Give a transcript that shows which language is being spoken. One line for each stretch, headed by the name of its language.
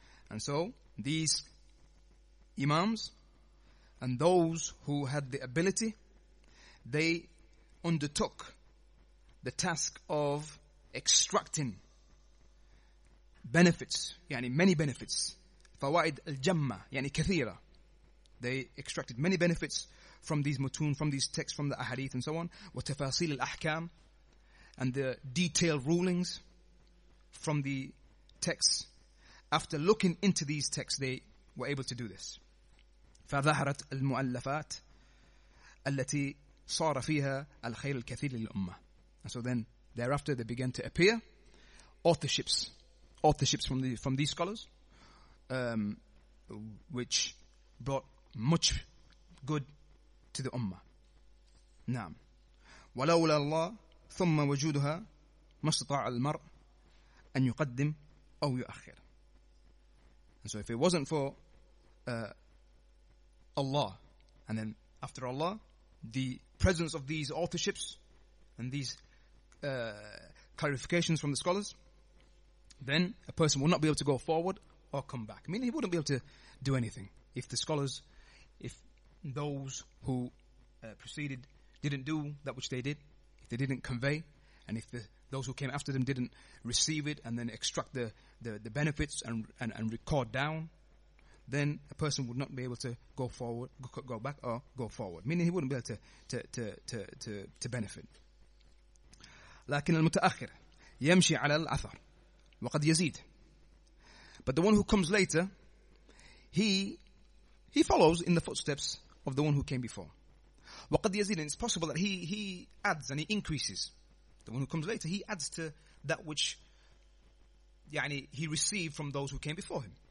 English: And so, these imams and those who had the ability, they undertook the task of extracting benefits, yani many benefits,
Arabic: fawaid al-jamma, yani kathira.
English: They extracted many benefits from these mutun, from these texts, from the ahadith and so on,
Arabic: wa tafasil al-ahkam,
English: and the detailed rulings from the texts. After looking into these texts, they were able to do this.
Arabic: فظهرت المؤلفات التي صار فيها الخير الكثير للأمة.
English: And so then, thereafter, they began to appear authorships from these scholars, which brought much good to the Ummah.
Arabic: نعم. ولولا الله ثم وجودها ما استطاع المرء أن يقدم أو يؤخر.
English: And so if it wasn't for Allah, and then after Allah, the presence of these authorships and these clarifications from the scholars, then a person will not be able to go forward or come back. I mean, he wouldn't be able to do anything if the scholars, if those who preceded didn't do that which they did, if they didn't convey, and if those who came after them didn't receive it and then extract the benefits and record down, then a person would not be able to go forward, go back, or go forward. Meaning he wouldn't be able to benefit.
Arabic: لكن المتأخر يمشي على الأثر وقد يزيد.
English: But the one who comes later, he follows in the footsteps of the one who came before.
Arabic: وقد يزيد.
English: And it's possible that he adds and he increases. The one who comes later, he adds to that which يعني, he received from those who came before him.